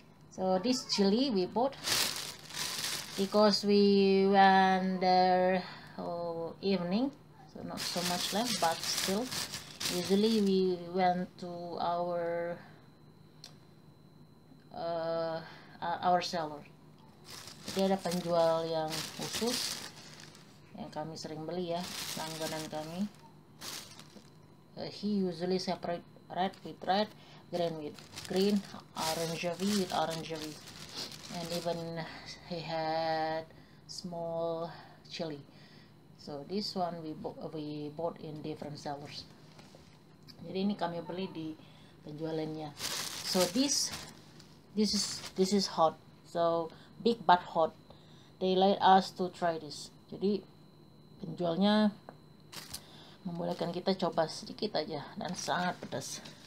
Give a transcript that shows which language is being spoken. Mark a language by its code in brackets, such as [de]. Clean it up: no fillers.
[en] So this chili we bought because we went there evening, so not so much left, but still usually we went to our seller. [id] Jadi ada penjual yang khusus yang kami sering beli ya, langganan kami. [en] He usually separate red with red, green with green, orangey with orangey, and even he had small chili. So this one we bought in different sellers. [id] Jadi ini kami beli di penjualannya. [en] So this is hot. So big but hot. They let us to try this. [id] Jadi penjualnya membolehkan kita coba sedikit aja dan sangat pedas.